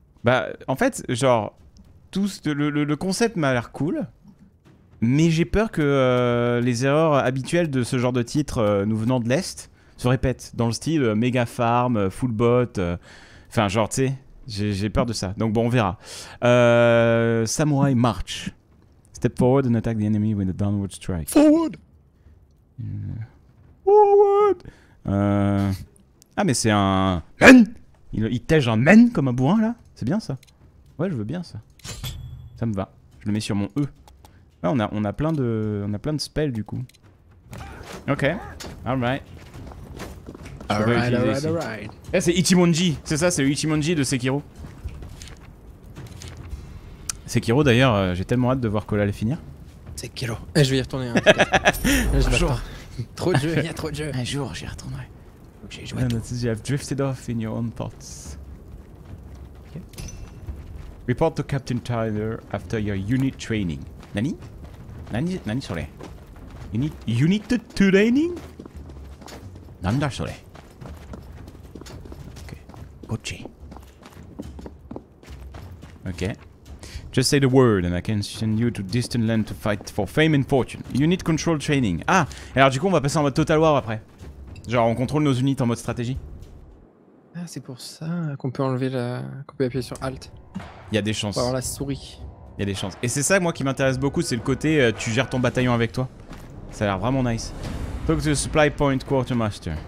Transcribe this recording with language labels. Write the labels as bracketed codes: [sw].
[fr] Bah, en fait, genre, tout le concept m'a l'air cool. Mais j'ai peur que les erreurs habituelles de ce genre de titre nous venant de l'Est se répètent dans le style Mega Farm, Full Bot. Enfin, genre, tu sais, j'ai peur de ça. Donc bon, on verra. Samurai March. [en] Step forward and attack the enemy with a downward strike. Forward! Forward! [fr] Ah, mais c'est un. Men! Il tège un men comme un bourrin là? C'est bien ça? Ouais, je veux bien ça. Ça me va. Je le mets sur mon E. Ouais, on a plein de spells du coup. Ok. [en] Alright. [fr] Eh, c'est Ichimonji. C'est ça, c'est Ichimonji de Sekiro. Sekiro d'ailleurs, j'ai tellement hâte de voir Cola le finir. Sekiro. Eh, je vais y retourner. Hein, un jour. Trop de jeux, il y a trop de jeux. Un jour, j'y retournerai. J'ai joué à tout. [en] You have drifted off in your own thoughts. Okay. Report to Captain Tyler after your unit training. [ja] Nani sore. [en] Unit to training? [ja] Nanda sore. Ok. Kochi. Ok. [en] Just say the word and I can send you to distant land to fight for fame and fortune. Unit control training. Ah! [fr] Alors du coup, on va passer en mode Total War après. Genre, on contrôle nos units en mode stratégie. Ah, c'est pour ça qu'on peut enlever la. Qu'on peut appuyer sur Alt. Y'a des chances. Pour avoir la souris. Y'a des chances. Et c'est ça, moi, qui m'intéresse beaucoup, c'est le côté tu gères ton bataillon avec toi. Ça a l'air vraiment nice. [en] Talk to the supply point quartermaster.